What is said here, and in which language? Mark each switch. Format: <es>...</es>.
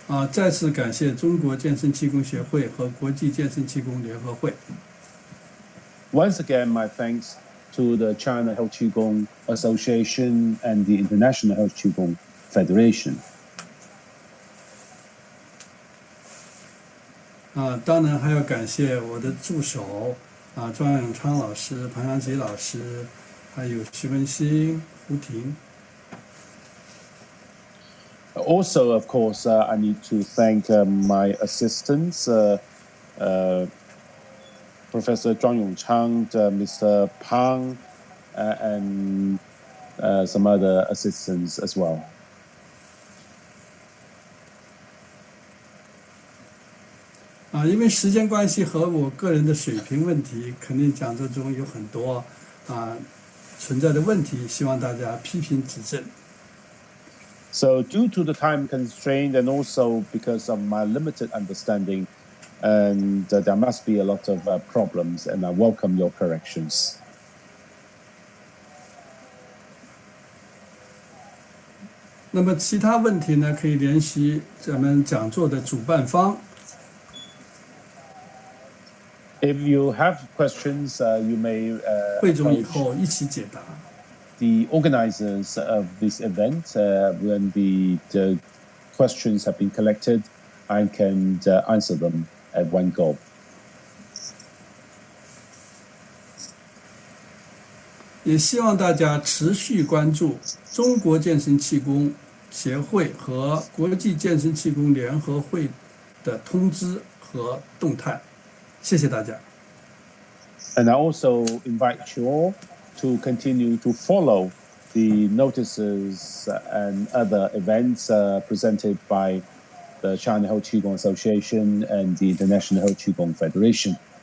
<zh>再次感谢中国健身气功协会和国际健身气功联合会。</zh> <en>Once again, my thanks to the China Health Qigong Association and the International Health Qigong Federation.</en> <zh>当然还要感谢我的助手庄永昌老师、庞祥吉老师，还有徐文新、胡婷。</zh> <en>Also, of course, I need to thank my assistants, Professor Zhuang Yongchang, Mr. Pang, and some other assistants as well.</en> <zh>因为时间关系和我个人的水平问题，肯定讲座中有很多存在的问题，希望大家批评指正。</zh> <en>So due to the time constraint and also because of my limited understanding, and there must be a lot of problems, and I welcome your corrections.</en> <zh>那么其他问题呢，可以联系咱们讲座的主办方。</zh> <en>If you have questions, you may</en> <zh>汇总以后一起解答。</zh> <en>The organizers of this event, when the questions have been collected, I can answer them at one go.</en> <zh>也希望大家持续关注中国健身气功协会和国际健身气功联合会的通知和动态。谢谢大家。</zh> <en>And I also invite you all. To continue to follow the notices and other events presented by the China Health Qigong Association and the International Health Qigong Federation.</en>